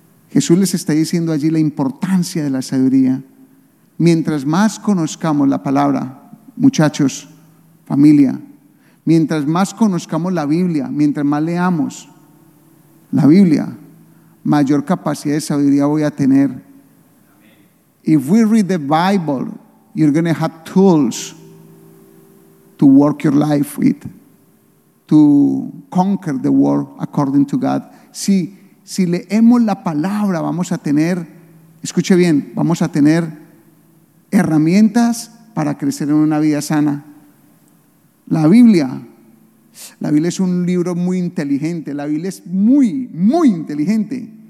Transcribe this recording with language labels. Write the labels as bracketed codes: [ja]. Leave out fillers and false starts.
[es] Jesús les está diciendo allí la importancia de la sabiduría. Mientras más conozcamos la palabra, muchachos, familia, mientras más conozcamos la Biblia, mientras más leamos la Biblia, mayor capacidad de sabiduría voy a tener. [en] If we read the Bible, you're going to have tools to work your life with, to conquer the world according to God. [es] Si leemos la palabra, vamos a tener, escuche bien, vamos a tener herramientas para crecer en una vida sana. La Biblia La Biblia es un libro muy inteligente. La Biblia es muy, muy inteligente.